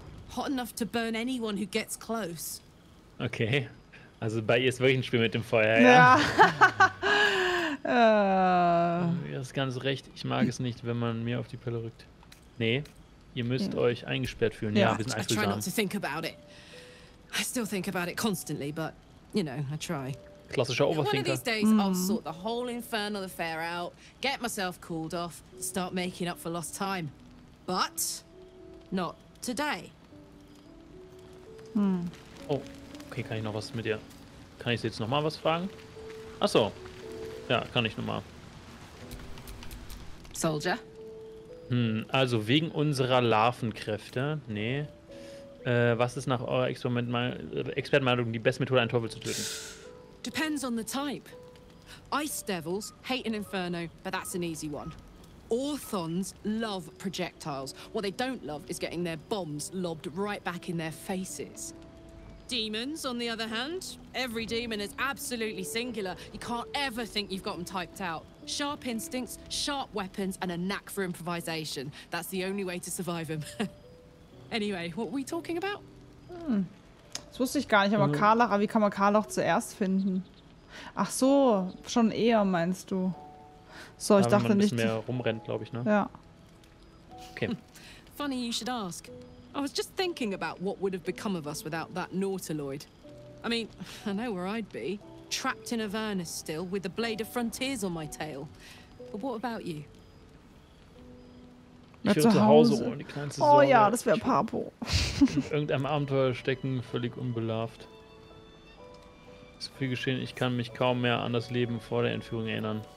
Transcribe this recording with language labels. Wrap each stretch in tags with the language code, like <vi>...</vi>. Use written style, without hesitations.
<en>Hot enough to burn anyone who gets close. Okay.</en> <de>Also bei ihr ist wirklich ein Spiel mit dem Feuer, ja. Ihr habt ganz recht. Ich mag es nicht, wenn man mir auf die Pelle rückt. Nee, ihr müsst euch eingesperrt fühlen. Ja, wir sind eifrig.</de> <en>I try not to think about it. I still think about it constantly, but you know, I try.</en> <de>Klassischer Overthinker.</de> <en>One of these days I'll sort the whole infernal affair out, get myself cooled off, start making up for lost time. But not today.</en> <de>Oh, okay, kann ich noch was mit dir? Kann ich sie jetzt nochmal was fragen? Achso. Ja, kann ich nochmal.</de> <en>Soldier.</en> <de>Also wegen unserer Larvenkräfte. Nee. Was ist nach eurer Expertenmeinung die beste Methode, einen Teufel zu töten?</de> <en>Depends on the type. Ice devils hate an inferno, but that's an easy one. Orthons love projectiles. What they don't love is getting their bombs lobbed right back in their faces. Demons, on the other hand, every demon is absolutely singular. You can't ever think you've got them typed out. Sharp instincts, sharp weapons, and a knack for improvisation. That's the only way to survive them. Anyway, what were we talking about?</en> <de>Das wusste ich gar nicht, aber Karlach, wie kann man Karlach zuerst finden? Ach so, schon eher meinst du. So, ich dachte nicht. Wenn man ein bisschen mehr rumrennt, glaube ich, ne? Ja. Okay.</de> <en>Funny you should ask. I was just thinking about what would have become of us without that Nautiloid. I mean, I know where I'd be. Trapped in Avernus still, with the Blade of Frontiers on my tail. But what about you?</en> <de>Ich würde zu Hause ohne die kleinste Sorge. Oh ja, das wäre Papo. In irgendeinem Abenteuer stecken, völlig unbelarvt. Ist viel geschehen, ich kann mich kaum mehr an das Leben vor der Entführung erinnern.</de>